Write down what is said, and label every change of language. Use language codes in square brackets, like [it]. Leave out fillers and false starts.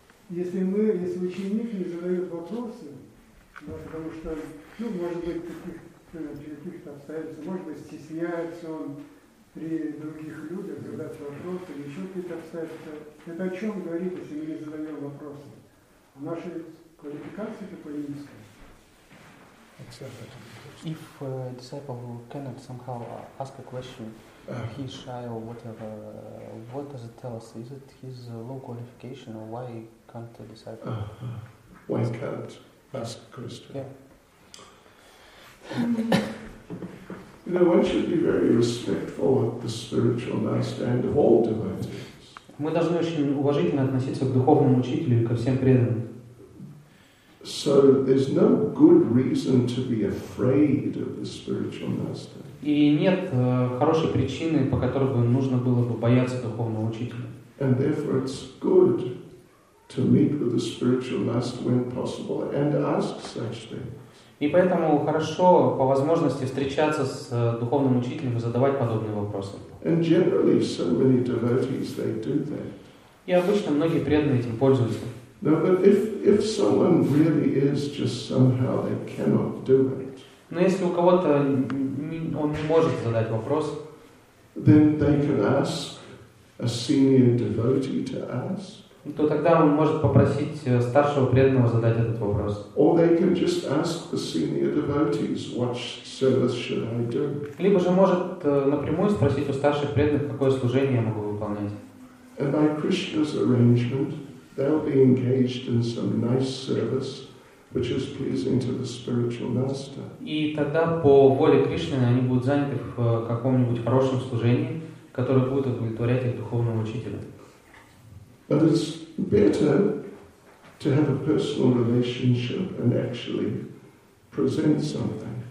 [ru] Если ученик не задает вопросы, да, потому что, ну, может быть, каких-то обстоятельств, может быть, стесняется он, при других людях задать вопросы или еще какие-то обстоятельства. Это о чем говорит, если мы не задаем вопросы? О нашей квалификации такой низкой? [en] If a disciple who cannot somehow ask a question, he's shy or whatever, what does it tell us? Is it his low qualification or why can't a disciple Why can't ask a question? Yeah. You know, one should be very respectful of the spiritual master and of all devotees. [ru] Мы должны очень уважительно относиться к духовному учителю и ко всем преданным. [en] So there's no good reason to be afraid of the spiritual master. [ru] И нет хорошей причины, по которой бы нужно было бы бояться духовного учителя. [en] And therefore it's good to meet with the spiritual master when possible and ask such things. [ru] И поэтому хорошо по возможности встречаться с духовным учителем и задавать подобные вопросы. [en] And generally, so many devotees, they do that. [ru] И обычно многие преданные этим пользуются. [en] No, but if someone really is just somehow they cannot do it. [ru] Но если у кого-то он не может задать вопрос, [en] then they can ask a senior devotee to ask. [ru] То тогда он может попросить старшего преданного задать этот вопрос. [en] Or they can just ask the senior devotees, what service should I do? [ru] Либо же может напрямую спросить у старших преданных, какое служение я могу выполнять. [en] And by Krishna's arrangement, they'll be engaged in some nice service, which is pleasing to the spiritual master. [ru] И тогда по воле Кришны они будут заняты в каком-нибудь хорошем служении, которое будет удовлетворять их духовному учителю. [en] But it's better to have a personal relationship and actually present something.